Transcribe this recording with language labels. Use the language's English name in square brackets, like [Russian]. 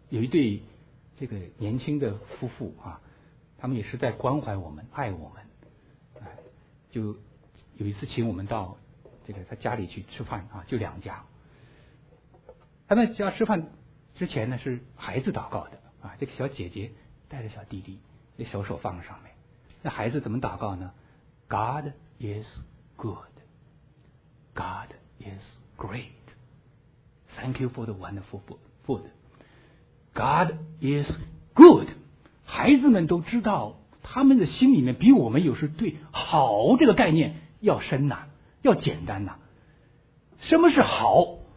[Chinese] 有一对这个年轻的夫妇啊，他们也是在关怀我们，爱我们，就有一次请我们到这个他家里去吃饭啊，就两家。他们家吃饭之前呢，是孩子祷告的啊，这个小姐姐带着小弟弟，那小手放在上面，那孩子怎么祷告呢？ [English] God is good, God is great, thank you for the wonderful food, God is good。 [Chinese] 孩子们都知道，他们的心里面比我们有时对好这个概念要深呐，要简单呐。什么是好？